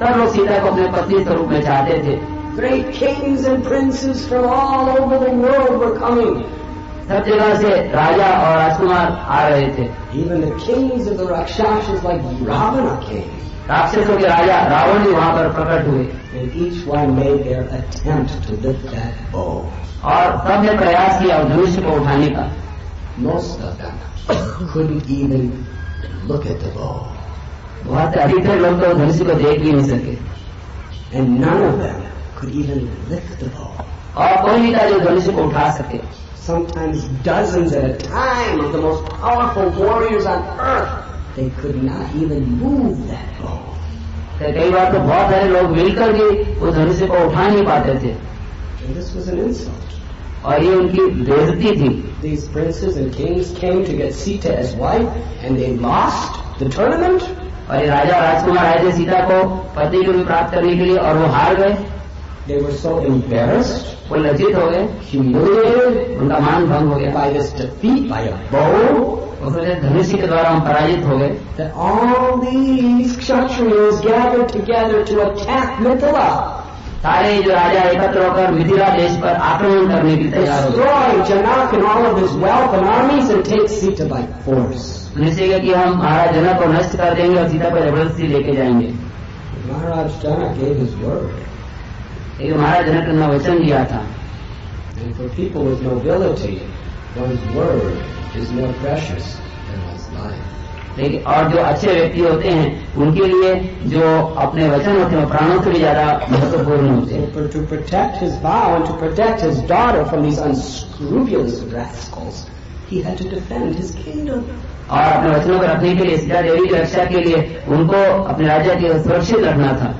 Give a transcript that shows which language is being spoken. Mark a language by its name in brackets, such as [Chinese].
[Hindi] सब लोग सीता को अपने पत्नी के रूप में चाहते थे. [English] Great kings and princes from all over the world were coming. [Hindi] सब जगह से राजा और राजकुमार आ रहे थे. [English] Even the kings of the Rakshasas like Ravana came. [Hindi] राक्षसों के राजा रावण भी वहां पर प्रकट हुए. [English] And each one made their attempt to lift that bow. [Hindi] और सब ने प्रयास किया धनुष को उठाने का. [English] Most of them couldn't even look at the bow. [Hindi] बहुत अधिकतर लोग तो धनुष को देख भी नहीं सके. [English] And none of them could even lift the bow. [Hindi] और कोई नहीं था जो धनुष को उठा सके. [English] Sometimes dozens at a time of the most powerful warriors on earth, they could not even move that bow. [Hindi] कई बार तो बहुत सारे लोग मिलकर भी उस धनुष को उठा नहीं पाते थे. [English] And this was an insult. [Hindi] और ये उनकी बेइज्जती थी. [English] These princes and kings came to get Sita as wife, and they lost the tournament. [Hindi] और ये राजा राजकुमार आए थे सीता को पति के रूप प्राप्त करने के लिए और वो हार गए. [English] They were so embarrassed. [Hindi] वो लज्जित हो गए. [English] Humiliated. [Hindi] उनका मान भंग हो गया. [English] By this defeat, by a bow. [Hindi] धनुष के द्वारा हम पराजित हो गए. [English] All these Kshatriyas gathered together to attack Mithila. [Hindi] सारे जो राजा एकत्र होकर मिथिला देश पर आक्रमण करने की तैयारी. जैसे कि हम महाराज जनक को नष्ट कर देंगे और सीता पर जबरदस्ती लेके जाएंगे. [English] Maharaj Janak gave his word. [Hindi] एक महाराज जनक ने वचन दिया था. [English] And for people with nobility, one's word is more precious than one's life. [Hindi] और जो अच्छे व्यक्ति होते हैं उनके लिए जो अपने वचन होते हैं प्राणों से भी ज्यादा महत्वपूर्ण होते हैं. [English] To protect his wife and to protect his daughter from these unscrupulous rascals he had to defend his kingdom. [Hindi] और अपने वचनों को रखने के लिए सीता देवी की रक्षा के लिए उनको अपने राज्य के सुरक्षित रखना था.